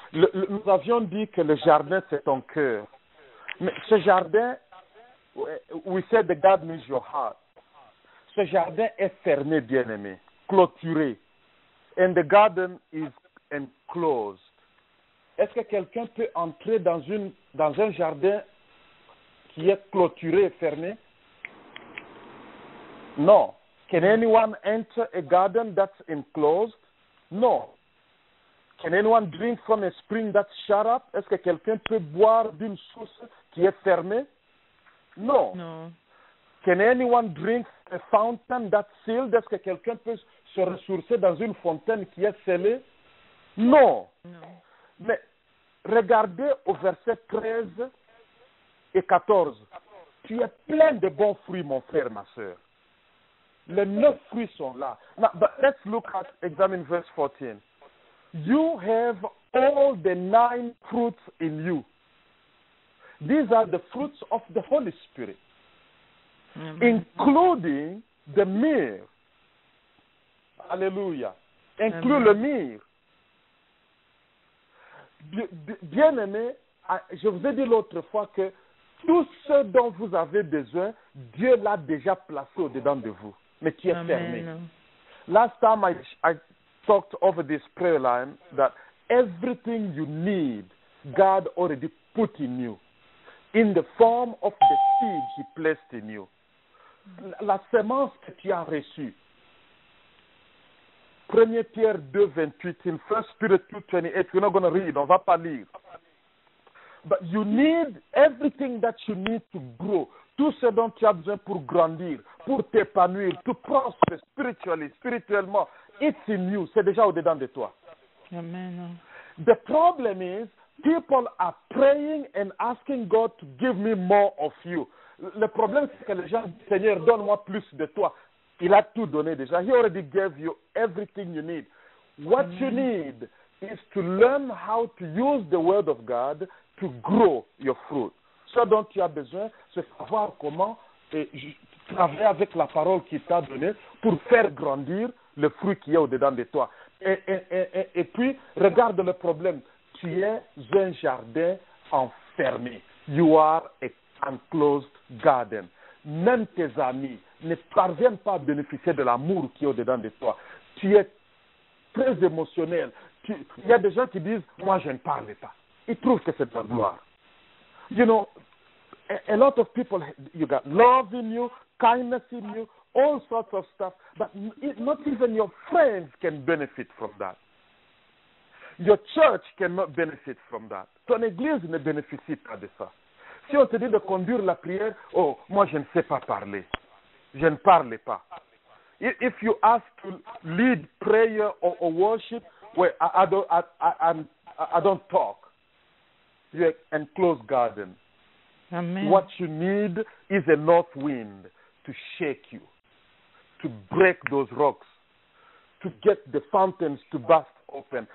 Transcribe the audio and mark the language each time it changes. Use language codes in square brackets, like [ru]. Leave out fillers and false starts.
[fr] Nous avions dit que le jardin, c'est ton cœur. Mais ce jardin, [en] we said the garden is your heart. [fr] Ce jardin est fermé, bien-aimé, clôturé. [en] And the garden is enclosed. [fr] Est-ce que quelqu'un peut entrer dans un jardin qui est clôturé et fermé? Non. [en] Can anyone enter a garden that's enclosed? Non. Can anyone drink from a spring that's shut up? [fr] Est-ce que quelqu'un peut boire d'une source qui est fermée? Non. [en] No. Can anyone drink a fountain that's sealed? [fr] Est-ce que quelqu'un peut se ressourcer dans une fontaine qui est scellée? Non. [en] No. [fr] Mais regardez au verset 13 et 14. Tu es plein de bons fruits, mon frère, ma sœur. Les 9 fruits sont là. [en] Now, but let's look at, examine verse 14. You have all the 9 fruits in you. These are the fruits of the Holy Spirit, mm-hmm. including the myrrh. Hallelujah. Include mm-hmm. le myrrh. [fr] Bien-aimé, je vous ai dit l'autre fois que tout ce dont vous avez besoin, Dieu l'a déjà placé au-dedans de vous, mais qui est Amen. Fermé. [en] Last time I talked over this prayer line that everything you need, God already put in you, in the form of the seed he placed in you. [fr] La semence que tu as reçue. [en] 1 Pierre 2, 28, in 1 Peter 2, 28, we're not going to read, [fr] on ne va pas lire. [en] But you need everything that you need to grow. [fr] Tout ce dont tu as besoin pour grandir, pour t'épanouir, [en] to prosper spiritually, [fr] spirituellement, [en] it's in you, [fr] c'est déjà au-dedans de toi. Amen. [en] The problem is, people are praying and asking God to give me more of you. [fr] Le problème, c'est que les gens disent, Seigneur, donne-moi plus de toi. Il a tout donné déjà. [en] He already gave you everything you need. What you need is to learn how to use the word of God to grow your fruit. [fr] Ce dont tu as besoin, c'est savoir comment travailler avec la parole qu'il t'a donnée pour faire grandir le fruit qui est au-dedans de toi. Et puis, regarde le problème. Tu es un jardin enfermé. [en] You are an enclosed garden. [fr] Même tes amis ne parviennent pas à bénéficier de l'amour qui est au-dedans de toi. Tu es très émotionnel. Il y a des gens qui disent, moi je ne parle pas. Ils trouvent que c'est de la gloire. [en] You know, a lot of people, you got love in you, kindness in you, all sorts of stuff. But not even your friends can benefit from that. Your church cannot benefit from that. [fr] Ton église ne bénéficie pas de ça. Si on te dit de conduire la prière, oh, moi je ne sais pas parler. Je ne parle pas. [en] If you ask to lead prayer or worship, well, I don't talk. You're an enclosed garden. Amen. What you need is a north wind to shake you, to break those rocks, to get the fountains to burst open.